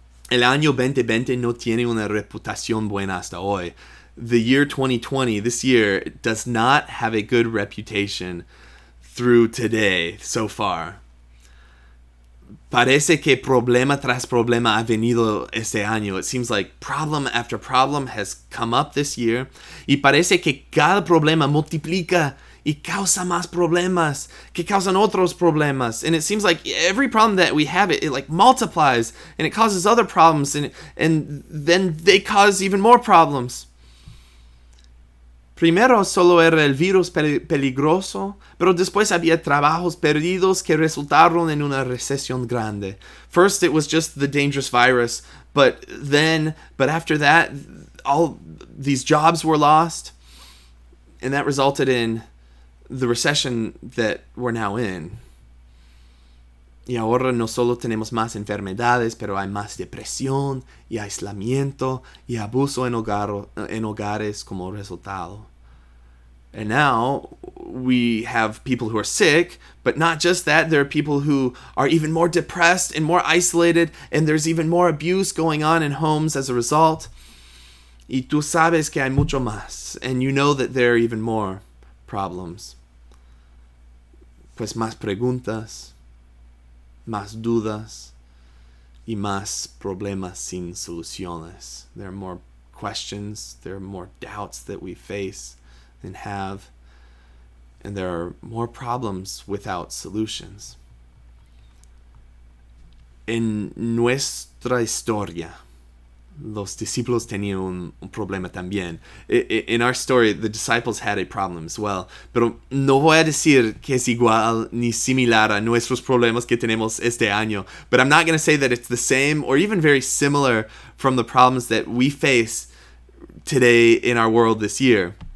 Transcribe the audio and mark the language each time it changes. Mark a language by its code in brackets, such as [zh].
[es] El año 2020 no tiene una reputación buena hasta hoy. [en] The year 2020, this year, does not have a good reputation through today, so far. [es] Parece que problema tras problema ha venido este año. [en] It seems like problem after problem has come up this year. [es] Y parece que cada problema multiplica y causa más problemas que causan otros problemas. [en] And it seems like every problem that we have, it like multiplies and it causes other problems and then they cause even more problems. [es] Primero solo era el virus peligroso, pero después había trabajos perdidos que resultaron en una recesión grande. [en] First it was just the dangerous virus, but after that, all these jobs were lost, and that resulted in the recession that we're now in. [es] Y ahora no solo tenemos más enfermedades, pero hay más depresión y aislamiento y abuso en hogares como resultado. [en] And now, we have people who are sick, but not just that, there are people who are even more depressed and more isolated, and there's even more abuse going on in homes as a result. [es] Y tú sabes que hay mucho más, [en] and you know that there are even more problems. [es] Pues más preguntas, más dudas, y más problemas sin soluciones. [en] There are more questions, there are more doubts that we face and have, and there are more problems without solutions. [es] En nuestra historia, los discípulos tenían un problema también. [en] In our story, the disciples had a problem as well. [es] Pero no voy a decir que es igual ni similar a nuestros problemas que tenemos este año. [en] But I'm not going to say that it's the same or even very similar from the problems that we face today in our world this year.